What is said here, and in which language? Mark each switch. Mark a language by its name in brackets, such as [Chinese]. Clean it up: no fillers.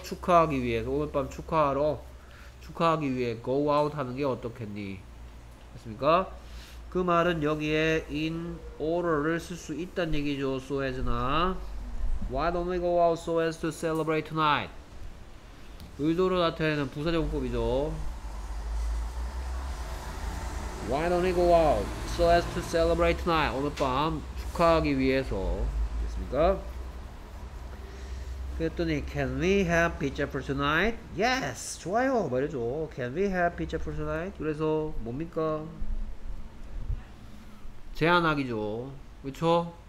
[Korean] 축하하기 위해서 오늘 밤 축하하러 축하하기 위해 [English] go out [Korean] 하는 게 어떻겠니? 됐습니까? 그 말은 여기에 in order를 쓸 수 있다는 얘기죠. [English] So as na why don't we go out so as to celebrate tonight? [Korean] 의도로 나타내는 부사적용법이죠. [English] Why don't we go out so as to celebrate tonight? [Korean] 오늘 밤 축하하기 위해서 됐습니까? [English] 그랬더니 Can we have pizza for tonight? Yes! [Korean] 좋아요! 말해줘. [English] Can we have pizza for tonight? [Korean] 그래서 뭡니까? 제안하기죠. 그쵸?